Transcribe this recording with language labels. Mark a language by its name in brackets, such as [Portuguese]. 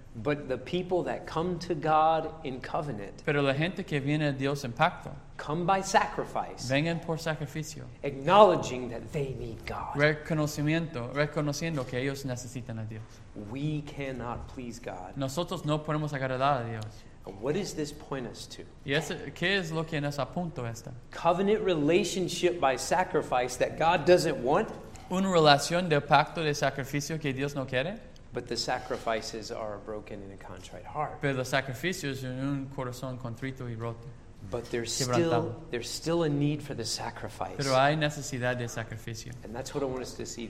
[English] But the people that come to God in covenant, [Spanish] pero la gente que viene a Dios en pacto, [English] come by sacrifice, [Spanish] vengan por sacrificio, [English] acknowledging that they need God, [Spanish] reconociendo que ellos necesitan a Dios. [English] We cannot please God. [Spanish] Nosotros no podemos agradar a Dios. [English] What does this point us to? [Spanish] Yes, ¿qué es lo que nos apunta esta? [English] Covenant relationship by sacrifice that God doesn't want. [Spanish] Una relación de pacto de sacrificio que Dios no quiere. [English] But the sacrifices are a broken and a contrite heart. [Spanish] Pero los sacrificios en un corazón contrito y roto. [English] But there's still a need for the sacrifice. [Spanish] Pero hay necesidad de sacrificio. [English] And that's what I want us to see this